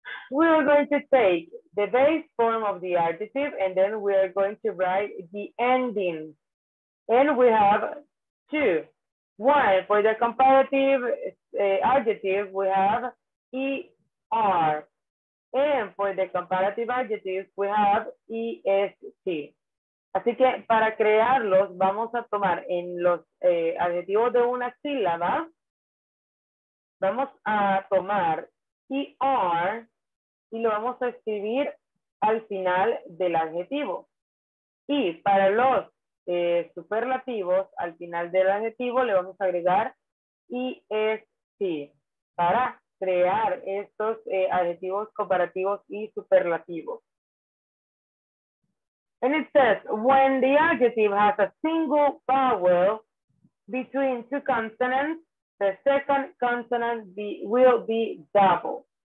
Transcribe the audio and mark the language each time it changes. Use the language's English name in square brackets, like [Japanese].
[English] We are going to take the base form of the adjective and then we are going to write the ending. And we have two. One, for the comparative adjective, we have er. And for the comparative adjective, we have est. [Spanish] Así que para crearlos, vamos a tomar en los adjetivos de una sílaba, vamos a tomar er y lo vamos a escribir al final del adjetivo. Y para los superlativos, al final del adjetivo le vamos a agregar est para crear estos adjetivos comparativos y superlativos. [English] And it says, when the adjective has a single vowel between two consonants, the second consonant will be double.